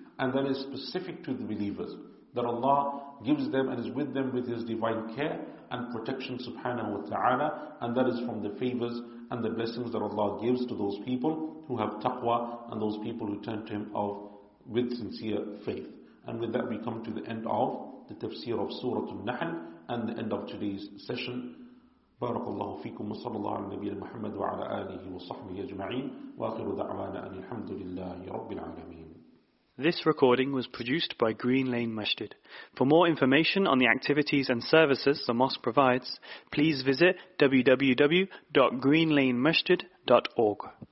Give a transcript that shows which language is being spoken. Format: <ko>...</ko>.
<en>And that is specific to the believers. That Allah gives them and is with them with His divine care and protection, subhanahu wa ta'ala. And that is from the favors and the blessings that Allah gives to those people who have taqwa and those people who turn to Him with sincere faith. And with that, we come to the end of the tafsir of Surah An-Nahl and the end of today's session.</en> <ar>بارك الله فيكم وصلى الله على نبينا محمد وعلى آله وصحبه أجمعين وآخر دعوانا أن الحمد لله رب العالمين.</ar> <en>This recording was produced by Green Lane Masjid. For more information on the activities and services the mosque provides, please visit www.greenlanemasjid.org.</en>